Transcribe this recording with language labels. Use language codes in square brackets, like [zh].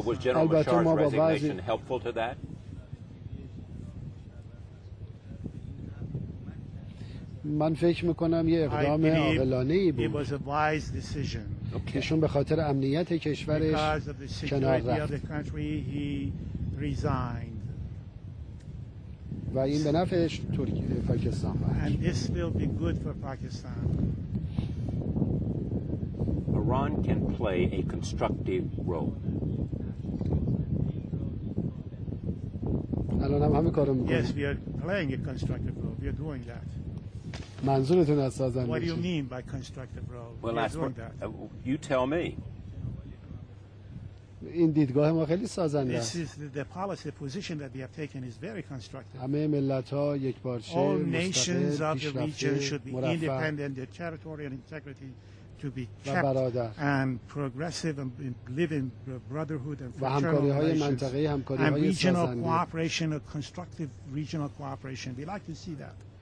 [en] So was General Musharraf's resignation helpful to that? [fa] من فکر میکنم یه اقدام عاقلانه ای بود. ایشون به خاطر امنیت کشورش کنار رفت. و این به نفع ترکیه پاکستان بود. [en] Iran can play a constructive role. [fa] الان هم همین کارو میکنیم. [en] Yes, we are playing a constructive role. We are doing that. [fa] منظورتون از سازندگی؟ [en] What do you mean by constructive role? Well, that's what you tell me. [fa] این دیدگاه ما خیلی سازنده. [en] This is the policy position that we have taken is very constructive. [fa] همه ملت‌ها یک پارچه مستقل. [en] All nations of the region should be independent, their territorial integrity to be kept and progressive and live in brotherhood and fraternal and regional cooperation, a constructive regional cooperation. We like to see that.